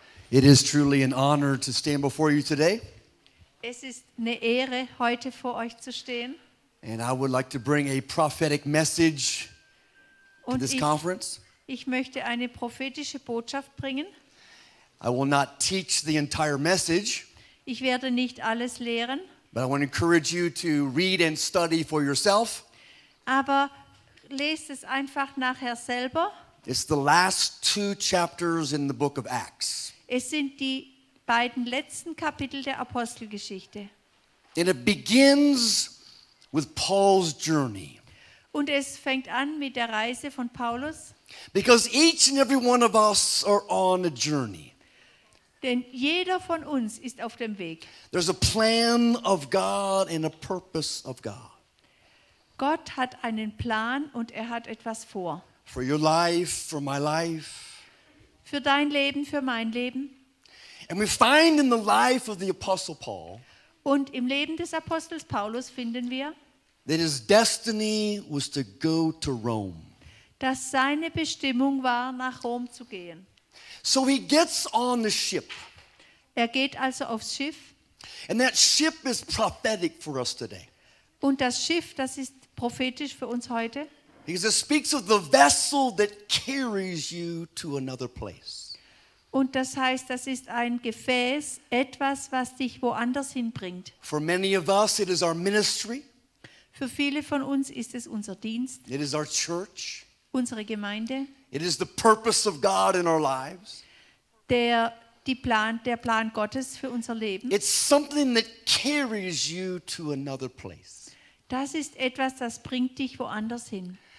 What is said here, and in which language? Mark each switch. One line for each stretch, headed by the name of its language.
English: It is truly an honor to stand before you today.
German: Es ist eine Ehre, heute vor euch zu stehen.
English: And I would like to bring a prophetic message
German: und
English: to this conference.
German: Ich möchte eine prophetische Botschaft bringen.
English: I will not teach the entire message.
German: Ich werde nicht alles lehren.
English: But I want to encourage you to read and study for yourself.
German: Aber lest es einfach nachher selber.
English: It's the last two chapters in the book of Acts.
German: Es sind die beiden letzten Kapitel der Apostelgeschichte.
English: And it begins with Paul's journey.
German: Und es fängt an mit der Reise von Paulus.
English: Because each and every one of us are on a journey.
German: Denn jeder von uns ist auf dem Weg.
English: There's a plan of God and a purpose of God.
German: Gott hat einen Plan und er hat etwas vor.
English: For your life, for my life.
German: Für dein Leben, für mein Leben.
English: And we find in the life of the Apostle Paul,
German: und im Leben des Apostels Paulus finden wir,
English: that his destiny was to go to Rome.
German: Dass seine Bestimmung war, nach Rom zu gehen.
English: So he gets on the ship.
German: Er geht also aufs Schiff.
English: And that ship is prophetic for us today.
German: Und das Schiff, das ist prophetisch für uns heute.
English: He says, speaks of the vessel that carries you to another place.
German: Und das heißt, das ist ein Gefäß, etwas, was dich woanders hinbringt.
English: For many of us, it is our ministry.
German: Für viele von uns ist es unser Dienst.
English: It is our church.
German: Unsere Gemeinde.
English: It is the purpose of God in our lives.
German: Der Plan Gottes für unser Leben.
English: It's something that carries you to another place.
German: Das ist etwas, das bringt dich woanders hin.